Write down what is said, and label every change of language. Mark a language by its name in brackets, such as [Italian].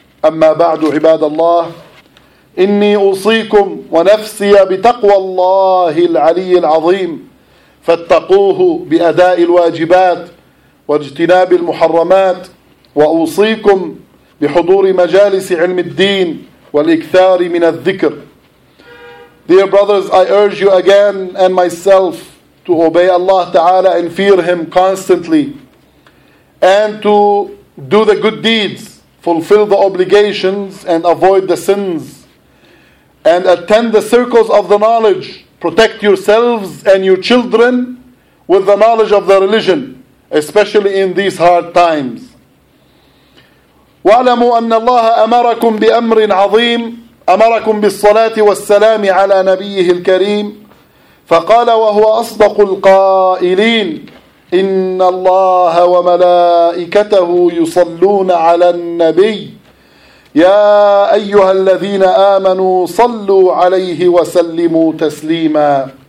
[Arabic] أما بعد، عباد الله، إني أوصيكم ونفسي بتقوى الله العلي العظيم، فاتقوه بأداء الواجبات واجتناب المحرمات، وأوصيكم بحضور مجالس علم الدين والإكثار من الذكر. [English] Dear brothers, I urge you again and myself to obey Allah Ta'ala and fear Him constantly, and to do the good deeds, fulfill the obligations and avoid the sins, and attend the circles of the knowledge. Protect yourselves and your children with the knowledge of the religion, especially in these hard times. [Arabic] وَعْلَمُوا أَنَّ اللَّهَ أَمَرَكُمْ بِأَمْرٍ عَظِيمٍ أَمَرَكُمْ بِالصَّلَاةِ وَالسَّلَامِ عَلَى نَبِيِّهِ الْكَرِيمِ فَقَالَ وَهُوَ أَصْدَقُ الْقَائِلِينَ إِنَّ اللَّهَ وَمَلَائِكَتَهُ يُصَلُّونَ عَلَى النَّبِيِّ يَا أَيُّهَا الَّذِينَ آمَنُوا صَلُّوا عَلَيْهِ وَسَلِّمُوا تَسْلِيمًا